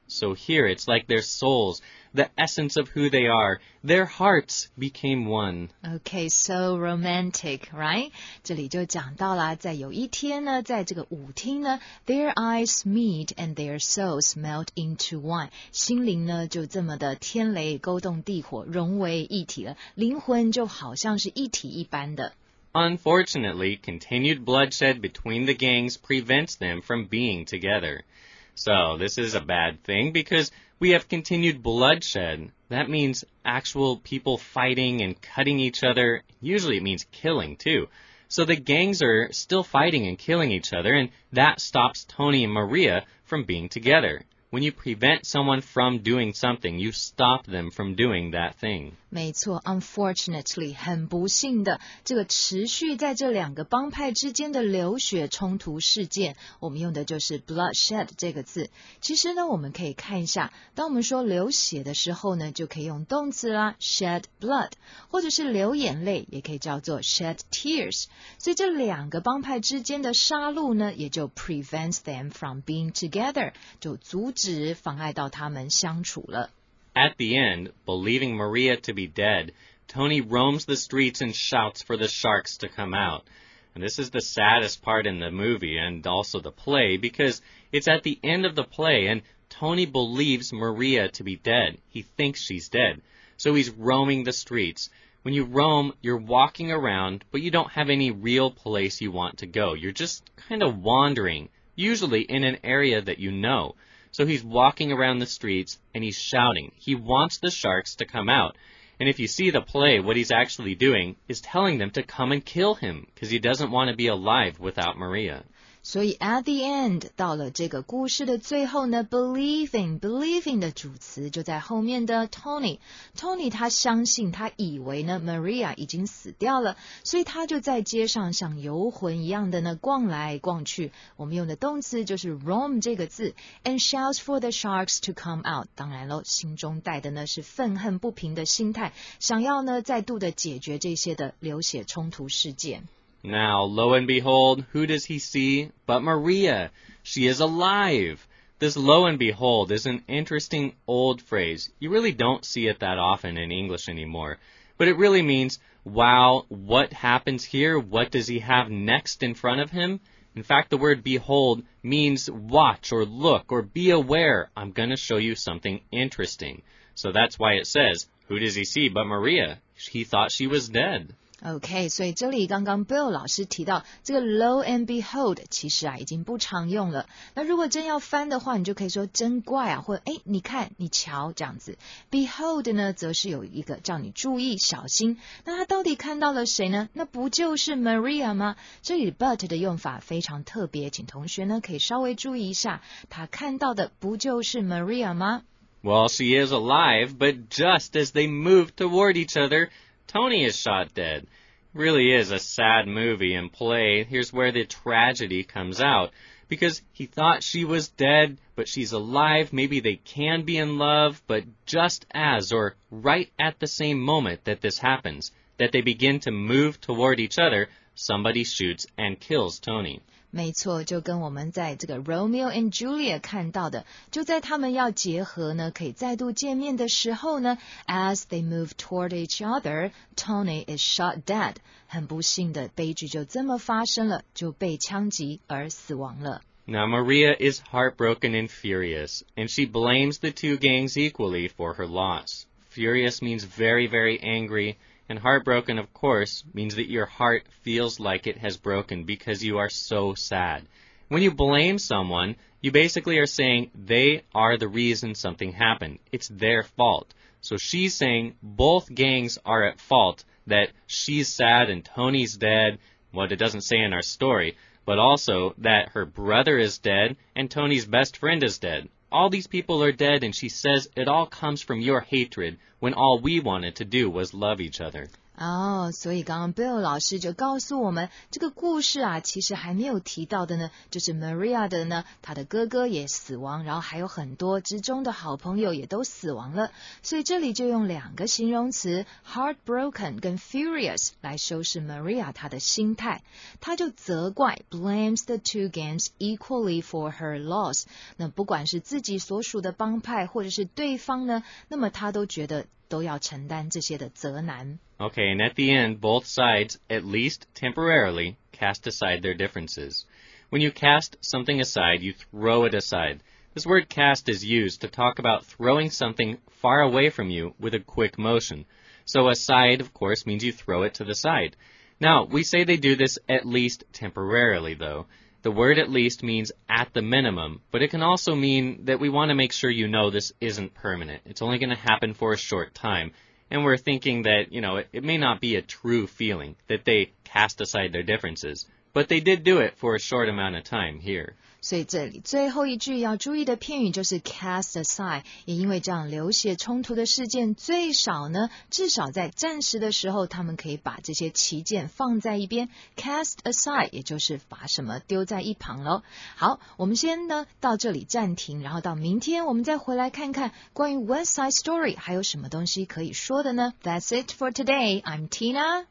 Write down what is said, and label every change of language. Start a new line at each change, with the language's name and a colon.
English: So here, it's like their souls... The essence of who they are, their hearts became one. Okay, so romantic, right?
Chinese: 这里就讲到了，在有一天呢，在这个舞厅呢 ，
English: their eyes meet and their souls melt into one.
Chinese: 心灵呢就这么的天雷勾动地火，融为一体了，灵魂就好像是一体一般的。
English: Unfortunately, continued bloodshed between the gangs prevents them from being together. So this is a bad thing because. We have continued bloodshed. That means actual people fighting and cutting each other. Usually it means killing, too. So the gangs are still fighting and killing each other, and that stops Tony and Maria from being together. When you prevent someone from doing something, you stop them from doing that thing.
Chinese: 没错 ,
English: unfortunately,
Chinese: 很不幸的这个持续在这两个帮派之间的流血冲突事件我们用的就是 bloodshed 这个字。其实呢我们可以看一下当我们说流血的时候呢就可以用动词啦
English: shed blood,
Chinese: 或者是流眼泪也可以叫做
English: shed tears。
Chinese: 所以这两个帮派之间的杀戮呢也就
English: prevents them from being together,
Chinese: 就阻止只妨碍到他们相处了。
English: At the end, believing Maria to be dead, Tony roams the streets and shouts for the sharks to come out. And this is the saddest part in the movie and also the play because it's at the end of the play and Tony believes Maria to be dead. He thinks she's dead. So he's roaming the streets. When you roam, you're walking around, but you don't have any real place you want to go. You're just kind of wandering, usually in an area that you know. So he's walking around the streets and he's shouting. He wants the sharks to come out. And if you see the play, what he's actually doing is telling them to come and kill him because he doesn't want to be alive without Maria.
Chinese: 所以
English: at the end,
Chinese: 到了这个故事的最后呢 believing 的主词就在后面的 Tony。 Tony 他相信他以为呢 Maria 已经死掉了所以他就在街上像游魂一样的呢逛来逛去。我们用的动词就是 roam 这个字
English: and shouts for the sharks to come out。
Chinese: 当然咯心中带的呢是愤恨不平的心态想要呢再度的解决这些的流血冲突事件。
English: Now, lo and behold, who does he see but Maria? She is alive! This lo and behold is an interesting old phrase. You really don't see it that often in English anymore. But it really means, wow, what happens here? What does he have next in front of him? In fact, the word behold means watch or look or be aware. I'm going to show you something interesting. So that's why it says, who does he see but Maria? He thought she was dead.
Chinese: OK, 所以这里刚刚 Bill 老师提到这个 lo and behold 其实啊已经不常用了。那如果真要翻的话，你就可以说真怪啊，或诶你看你瞧这样子。 behold 呢则是有一个叫你注意小心。那他到底看到了谁呢？那不就是 Maria 吗？这里 but 的用法非常特别，请同学呢可以稍微注意一下，他看到的不就是 Maria 吗？
English: Well, she is alive, but just as they move toward each other,Tony is shot dead. Really is a sad movie and play. Here's where the tragedy comes out. Because he thought she was dead, but she's alive. Maybe they can be in love, but just as or right at the same moment that this happens, that they begin to move toward each other, somebody shoots and kills Tony.
Chinese: 没错，就跟我们在这个 Romeo and Juliet 看到的，就在他们要结合呢，可以再度见面的时候呢，
English: As they move toward each other, Tony is shot dead.
Chinese: 很不幸的悲剧就这么发生了，就被枪击而死亡了。
English: Now Maria is heartbroken and furious, and she blames the two gangs equally for her loss. Furious means very, very angry. And heartbroken, of course, means that your heart feels like it has broken because you are so sad. When you blame someone, you basically are saying they are the reason something happened. It's their fault. So she's saying both gangs are at fault, that she's sad and Tony's dead, what it doesn't say in our story, but also that her brother is dead and Tony's best friend is dead. All these people are dead, and she says it all comes from your hatred when all we wanted to do was love each other.
Chinese: Oh, 所以刚刚 Bill 老师就告诉我们这个故事啊，其实还没有提到的呢，就是 Maria 的呢，她的哥哥也死亡，然后还有很多之中的好朋友也都死亡了。所以这里就用两个形容词 heartbroken 跟 furious 来修饰 Maria 她的心态。她就责怪
English: blames the two gangs equally for her loss。
Chinese: 那不管是自己所属的帮派或者是对方呢，那么她都觉得。都要承担这些的责难。
English: Okay, and at the end, both sides, at least temporarily, cast aside their differences. When you cast something aside, you throw it aside. This word cast is used to talk about throwing something far away from you with a quick motion. So aside, of course, means you throw it to the side. Now, we say they do this at least temporarily, though. The word at least means at the minimum, but it can also mean that we want to make sure you know this isn't permanent. It's only going to happen for a short time. And we're thinking that, you know, it may not be a true feeling that they cast aside their differences, but they did do it for a short amount of time here.
Chinese: 所以这里最后一句要注意的片语就是 cast aside， 也因为这样流血冲突的事件最少呢，至少在暂时的时候，他们可以把这些旗舰放在一边， cast aside 也就是把什么丢在一旁咯。好，我们先呢到这里暂停，然后到明天我们再回来看看关于 West Side Story 还有什么东西可以说的呢。
English: That's it for today. I'm Tina.